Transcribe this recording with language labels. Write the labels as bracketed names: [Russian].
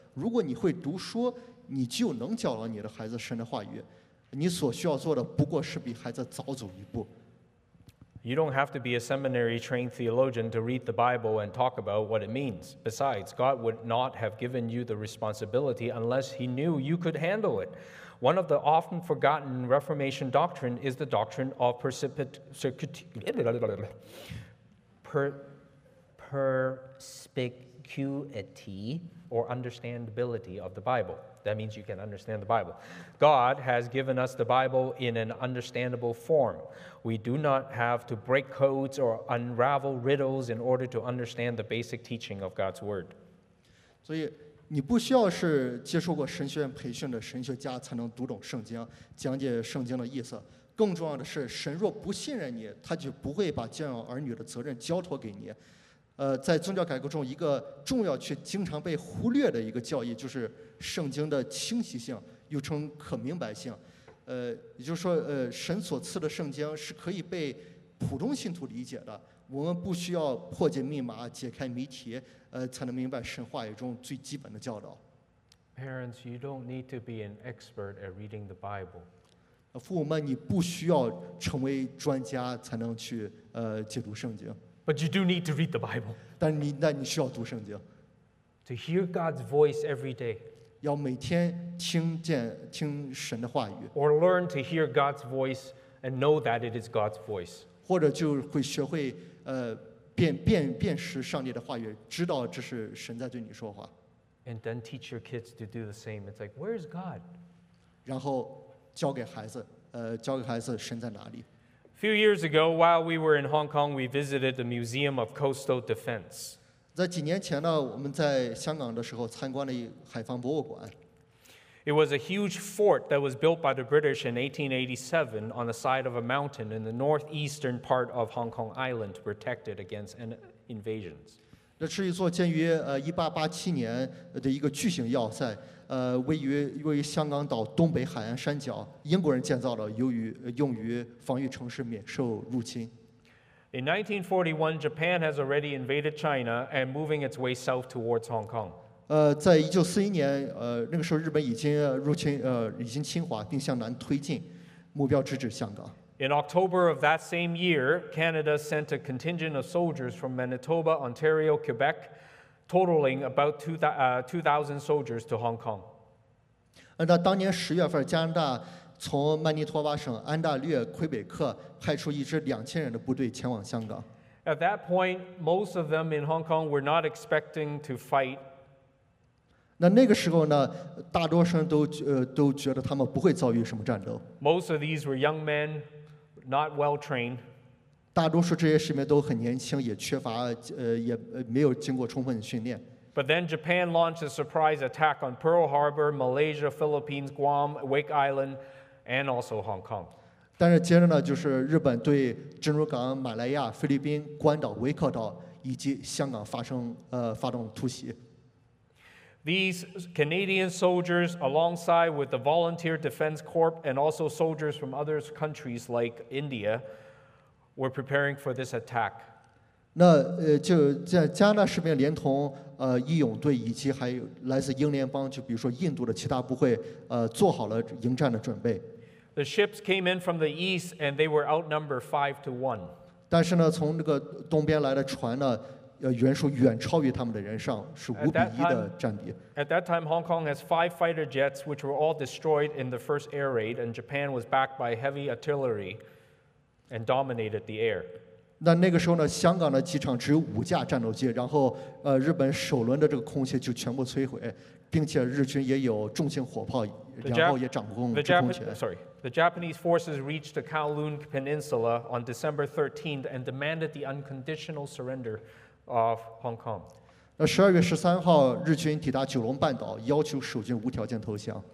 [Chinese] 如果你会读书，你就能教导你的孩子神的话语。你所需要做的不过是比孩子早走一步。 [English] You don't have to be a seminary-trained theologian to read the Bible and talk about what it means. Besides, God would not have given you the responsibility unless He knew you could handle it. One of the often forgotten Reformation doctrine is the doctrine of perspicuity or understandability of the Bible. That means you can understand the Bible. God has given us the Bible in an understandable form. We do not have to break codes or unravel riddles in order to understand the basic teaching of God's word. So yeah. [Chinese] 你不需要是接受过神学院培训的神学家才能读懂圣经，讲解圣经的意思。更重要的是，神若不信任你，他就不会把教养儿女的责任交托给你。在宗教改革中，一个重要却经常被忽略的一个教义，就是圣经的清晰性，又称可明白性。也就是说，神所赐的圣经是可以被普通信徒理解的。我们不需要破解密码、解开谜题，才能明白神话语中最基本的教导。 [English] Parents, you don't need to be an expert at reading the Bible. [Chinese] 父母们，你不需要成为专家才能去解读圣经。 [English] But you do need to read the Bible. [Chinese] 但你需要读圣经。 [English] To hear God's voice every day. [Chinese] 要每天听神的话语。 [English] Or learn to hear God's voice and know that it is God's voice. [Chinese] 或者就会学会辨识上帝的话语，知道这是神在对你说话。 [English] And then teach your kids to do the same. It's like, where is God? [Chinese] 然后教给孩子神在哪里。 [English] Few years ago, while we were in Hong Kong, we visited the Museum of Coastal Defense. [Chinese] 在几年前呢，我们在香港的时候参观了海防博物馆。 [English] It was a huge fort that was built by the British in 1887 on the side of a mountain in the northeastern part of Hong Kong Island to protect it against invasions. [Chinese] 这是一座建于1887年的一个巨型要塞，位于香港岛东北海岸山脚，英国人建造的，用于防御城市免受入侵。 [English] In 1941, Japan has already invaded China and moving its way south towards Hong Kong. [Chinese] 在1941年，那个时候日本已经入侵，已经侵华，并向南推进，目标直指香港。 [English] In October of that same year, Canada sent a contingent of soldiers from Manitoba, Ontario, Quebec, totaling about 2,000 soldiers to Hong Kong. [Chinese] 那当年十月份，加拿大从曼尼托巴省安大略魁北克派出一支2000人的部队前往香港。 [English] At that point, most of them in Hong Kong were not expecting to fight. [Chinese] 那个时候呢，大多数人都觉得他们不会遭遇什么战斗。 [English] Most of these were young men, not well trained. [Chinese] 大多数这些士兵都很年轻，也缺乏也没有经过充分的训练。 [English] But then Japan launched a surprise attack on Pearl Harbor, Malaysia, Philippines, Guam, Wake Island, and also Hong Kong. [Chinese] 但是接着呢，就是日本对珍珠港、马来亚、菲律宾、关岛、维克岛以及香港发动突袭。 [English] These Canadian soldiers, alongside with the Volunteer Defense Corps and also soldiers from other countries like India, were preparing for this attack. [Chinese] 那就在加拿大士兵连同义勇队以及还有来自英联邦，就比如说印度的其他部队，做好了迎战的准备。 [English] The ships came in from the east, and they were outnumbered 5-1. [Chinese] 但是呢，从那个东边来的船呢，人数远超于他们的人上，是5-1的占比。 [English] At that time, Hong Kong has 5 fighter jets, which were all destroyed in the first air raid, and Japan was backed by heavy artillery and dominated the air. [Chinese] 那个时候呢，香港的机场只有5架战斗机，然后日本首轮的这个空袭就全部摧毁，并且日军也有重型火炮，然后也掌控制空权。 [English] The Japanese forces reached the Kowloon Peninsula on December 13th and demanded the unconditional surrender of Hong Kong. [Chinese] 12月13号，日军抵达九龙半岛，要求守军无条件投降。